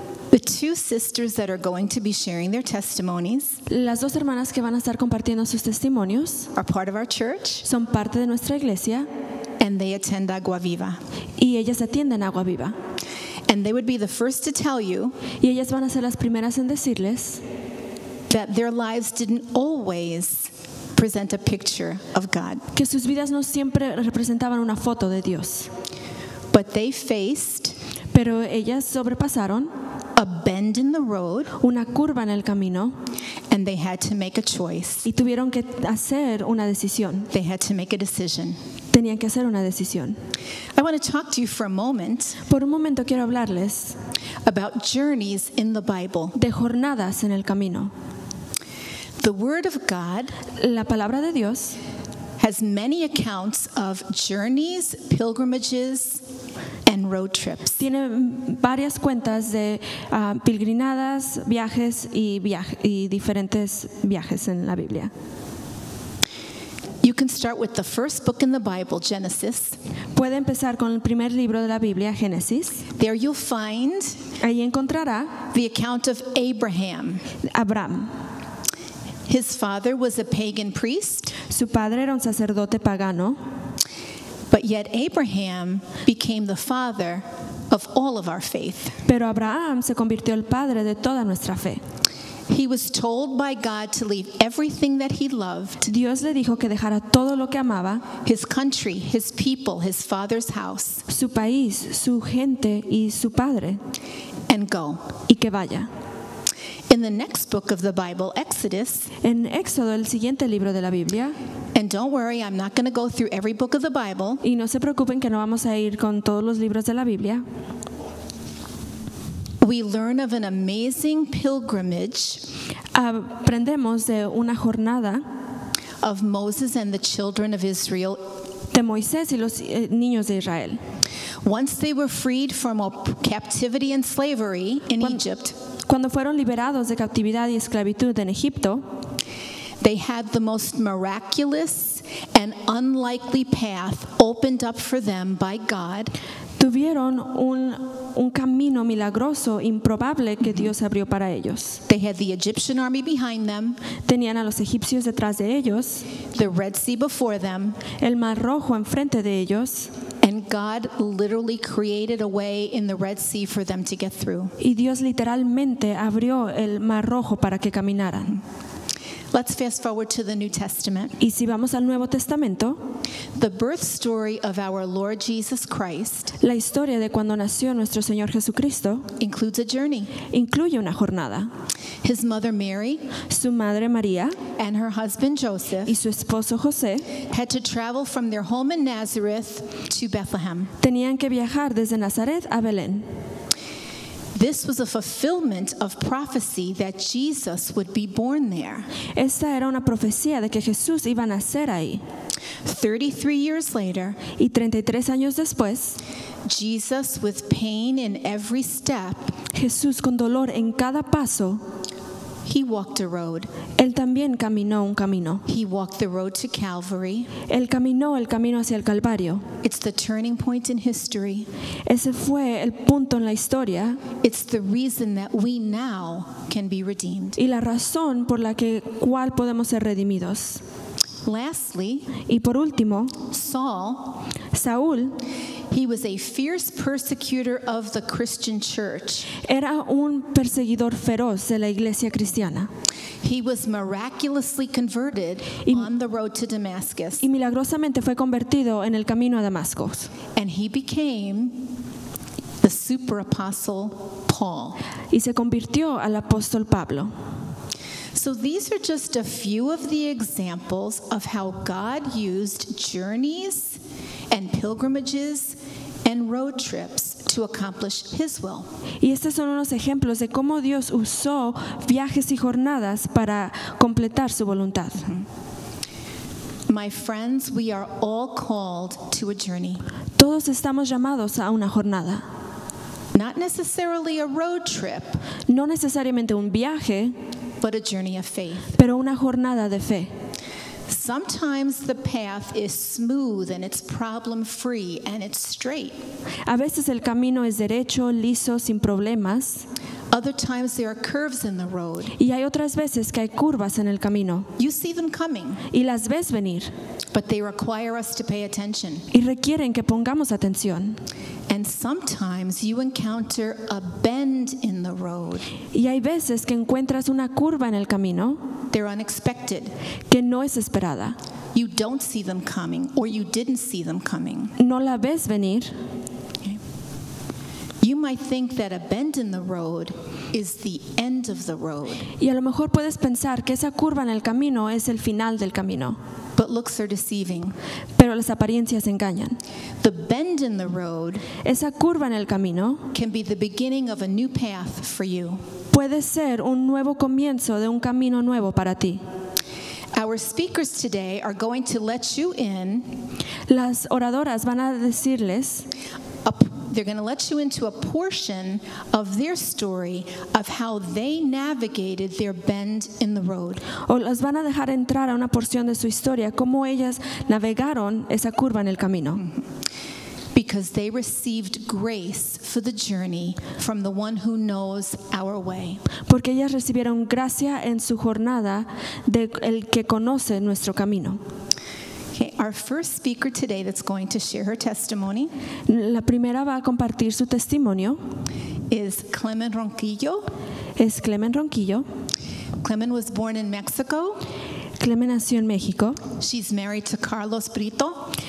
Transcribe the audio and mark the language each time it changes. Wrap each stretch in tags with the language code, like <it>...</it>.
<en>The two sisters that are going to be sharing their testimonies</en> <es>Las dos hermanas que van a estar compartiendo sus testimonios</es> <en>are part of our church.</en> <es>Son parte de nuestra iglesia.</es> <en>And they attend Agua Viva.</en> <es>Y ellas atienden Agua Viva.</es> <en>And they would be the first to tell you</en> <es>y ellas van a ser las primeras en decirles</es> <en>that their lives didn't always present a picture of God.</en> <es>Que sus vidas no siempre representaban una foto de Dios.</es> <en>But they faced</en> <es>pero ellas sobrepasaron</es> <en>a bend in the road</en> <es>una curva en el camino</es> <en>and they had to make a choice.</en> <es>Y tuvieron que hacer una decisión.</es> <en>They had to make a decision.</en> <es>Tenían que hacer una decisión.</es> <en>I want to talk to you for a moment</en> <es>Por un momento quiero hablarles</es> <en>about journeys in the Bible.</en> <es>De jornadas en el camino.</es> <en>The word of God</en> <es>La palabra de Dios</es> <en>has many accounts of journeys, pilgrimages, and road trips.</en> <es>Tiene varias cuentas de pilgrinadas, viajes y diferentes viajes en la Biblia.</es> <en>You can start with the first book in the Bible, Genesis.</en> <es>Puede empezar con el primer libro de la Biblia, Génesis.</es> <en>There you'll find</en> <es>Ahí encontrará</es> <en>the account of Abraham.</en> <es>Abraham.</es> <en>His father was a pagan priest.</en> <es>Su padre era un sacerdote pagano.</es> <en>But yet Abraham became the father of all of our faith.</en> <es>Pero Abraham se convirtió el padre de toda nuestra fe.</es> <en>He was told by God to leave everything that he loved.</en> <es>Dios le dijo que dejara todo lo que amaba.</es> <en>His country, his people, his father's house.</en> <es>Su país, su gente y su padre.</es> <en>And go.</en> <es>Y que vaya.</es> <en>In the next book of the Bible, Exodus.</en> <es>En Éxodo, el siguiente libro de la Biblia.</es> <en>And don't worry, I'm not going to go through every book of the Bible.</en> <es>Y no se preocupen que no vamos a ir con todos los libros de la Biblia.</es> <en>We learn of an amazing pilgrimage.</en> <es>Aprendemos de una jornada</es> <en>of Moses and the children of Israel.</en> <es>De Moisés y los niños de Israel.</es> <en>Once they were freed from captivity and slavery in Egypt.</en> <es>Cuando fueron liberados de cautividad y esclavitud en Egipto,</es> <en>they had the most miraculous and unlikely path opened up for them by God.</en> <es>Tuvieron un camino milagroso, improbable que Dios abrió para ellos.</es> <en>They had the Egyptian army behind them.</en> <es>Tenían a los egipcios detrás de ellos.</es> <en>The Red Sea before them.</en> <es>El Mar Rojo enfrente de ellos.</es> <en>And God literally created a way in the Red Sea for them to get through.</en> <es>Y Dios literalmente abrió el Mar Rojo para que caminaran.</es> <en>Let's fast forward to the New Testament.</en> <es>Y si vamos al Nuevo Testamento,</es> <en>the birth story of our Lord Jesus Christ,</en> <es>la historia de cuando nació nuestro Señor Jesucristo,</es> <en>includes a journey.</en> <es>Incluye una jornada.</es> <en>His mother Mary,</en> <es>su madre María,</es> <en>and her husband Joseph,</en> <es>y su esposo José,</es> <en>had to travel from their home in Nazareth to Bethlehem.</en> <es>Tenían que viajar desde Nazaret a Belén.</es> <en>This was a fulfillment of prophecy that Jesus would be born there.</en> <es>Esta era una profecía de que Jesús iba a nacer ahí.</es> <en>33 years later,</en> <es>y 33 años después,</es> <en>Jesus with pain in every step,</en> <es>Jesús con dolor en cada paso,</es> <en>he walked a road.</en> <es>Él también caminó un camino.</es> <en>He walked the road to Calvary.</en> <es>Él caminó el camino hacia el Calvario.</es> <en>It's the turning point in history.</en> <es>Ese fue el punto en la historia.</es> <en>It's the reason that we now can be redeemed.</en> <es>Y la razón por la que cual podemos ser redimidos.</es> <en>Lastly,</en> <es>y por último,</es> <en>Saul, he was a fierce persecutor of the Christian church.</en> <es>Era un perseguidor feroz de la iglesia cristiana.</es> <en>He was miraculously converted on the road to Damascus.</en> <es>Y milagrosamente fue convertido en el camino a Damasco.</es> <en>And he became the super apostle Paul.</en> <es>Y se convirtió al apóstol Pablo.</es> <en>So these are just a few of the examples of how God used journeys and pilgrimages and road trips to accomplish his will.</en> <es>Y estos son unos ejemplos de cómo Dios usó viajes y jornadas para completar su voluntad.</es> <en>My friends, we are all called to a journey.</en> <es>Todos estamos llamados a una jornada.</es> <en>Not necessarily a road trip,</en> <es>no necesariamente un viaje,</es> <en>but a journey of faith.</en> <es>Pero una jornada de fe.</es> <en>Sometimes the path is smooth and it's problem-free and it's straight.</en> <es>A veces el camino es derecho, liso, sin problemas.</es> <en>Other times there are curves in the road.</en> <es>Y hay otras veces que hay curvas en el camino.</es> <en>You see them coming.</en> <es>Y las ves venir.</es> <en>But they require us to pay attention.</en> <es>Y requieren que pongamos atención.</es> <en>And sometimes you encounter a bend in the road.</en> <es>Y hay veces que encuentras una curva en el camino.</es> <en>They're unexpected.</en> <es>Que no es esperada.</es> <en>You don't see them coming, or you didn't see them coming.</en> <es>No la ves venir.</es> <en>You might think that a bend in the road is the end of the road.</en> <es>Y a lo mejor puedes pensar que esa curva en el camino es el final del camino.</es> <en>But looks are deceiving.</en> <es>Pero las apariencias engañan.</es> <en>The bend in the road,</en> <es>esa curva en el camino,</es> <en>can be the beginning of a new path for you.</en> <es>Puede ser un nuevo comienzo de un camino nuevo para ti.</es> <en>Our speakers today are going to let you in.</en> <es>Las oradoras van a decirles.</es> <en>They're going to let you into a portion of their story of how they navigated their bend in the road.</en> <es>O las van a dejar entrar a una porción de su historia, cómo ellas navegaron esa curva en el camino.</es> <en>Because they received grace for the journey from the one who knows our way.</en> <es>Porque ellas recibieron gracia en su jornada de el que conoce nuestro camino.</es> <en>Okay, our first speaker today that's going to share her testimony.</en> <es>La primera va a compartir su testimonio.</es> <en>Is Clement Ronquillo.</en> <es>Es Clement Ronquillo.</es> <en>Clement was born in Mexico.</en> <es>Clement nació en México.</es> <en>She's married to Carlos Brito.</en>